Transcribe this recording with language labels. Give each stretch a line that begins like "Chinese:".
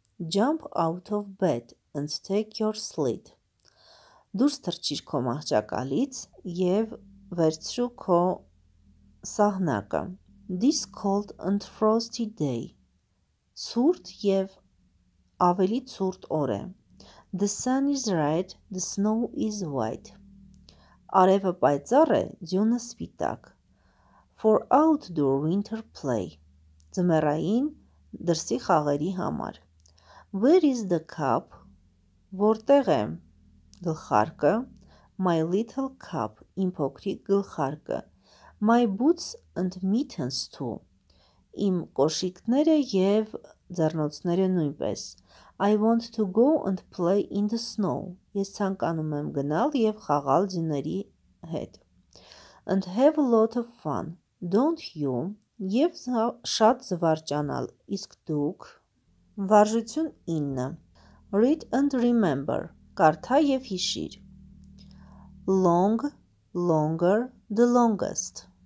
English: Jump out of bed and take your sled.
Armenian: Դուրս թռչիր քո մահճակալից եւ վերցրու քո սահնակը.
English: This cold and frosty day.
Armenian: Ցուրտ եւ ավելի ցուրտ օր է.
English: The sun is red, the snow is white.
Armenian: Արևը պայծառ է, ձյունը սպիտակ.
English: For outdoor winter play.
Armenian: Ձմեռային դրսի խաղերի համար.
English: Where is the cup?
Armenian: Որտեղ է գլխարկը?
English: My little cup.
Armenian: Իմ փոքրիկ գլխարկը.
English: My boots and mittens too.
Armenian: Իմ կոշիկները եւ ձեռնոցները նույնպես.
English: I want to go and play in the snow.
Armenian: Ես ցանկանում եմ գնալ եւ խաղալ ձյունների հետ.
English: And have a lot of fun. Don't you?
Armenian: Եվ շատ զվարճանալ, իսկ դուք? Վարժություն 9.
English: Read and remember.
Armenian: Կարդա եւ հիշիր.
English: Long, longer, the longest.